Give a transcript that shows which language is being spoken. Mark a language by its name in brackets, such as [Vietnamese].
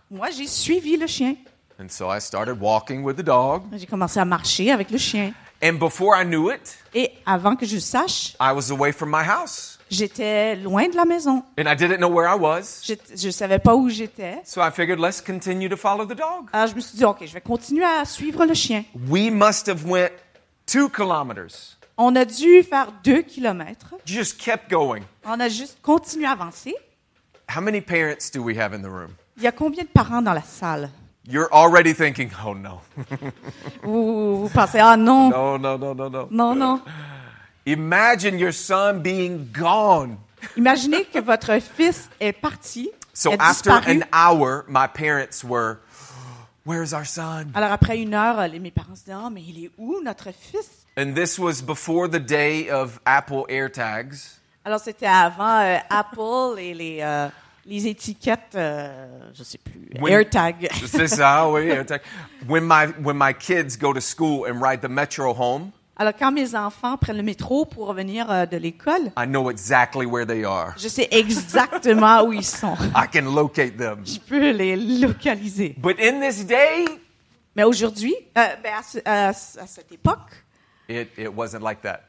[French] Moi j'ai suivi le chien. [English] And so I started walking with the dog. [French] J'ai commencé à marcher avec le chien. [English] And before I knew it, [French] et avant que je sache, [English] I was away from my house. [French] J'étais loin de la maison. [English] And I didn't know where I was. [French] Je savais pas où j'étais. [English] So I figured, let's continue to follow the dog. [French] Alors je me suis dit, OK, je vais continuer à suivre le chien. [English] We must have went 2 kilometers. [French] On a dû faire 2 kilomètres. [English] Just kept going. [French] On a juste continué à avancer. [English] How many parents do we have in the room? [French] Il y a combien de parents dans la salle? [English] You're already thinking, oh no. [French] Vous pensez, ah non. [English] Non. Imagine your son being gone. [French] Imaginez que votre fils est parti. [English] So after an hour, my parents were, where is our son? [French] Alors après une heure, mes parents disaient, oh, mais il est où notre fils? [English] And this was before the day of Apple AirTags. [French] Alors c'était avant Apple et les étiquettes, je sais plus, AirTag. C'est ça, oui, AirTag. [English] When my kids go to school and ride the metro home. [French] Alors, quand mes enfants prennent le métro pour revenir de l'école, [English] I know exactly where they are. [French] Je sais exactement où ils sont. [English] I can locate them. [French] Je peux les localiser. [English] But in this day, [French] mais aujourd'hui, à cette époque, [English] it wasn't like that.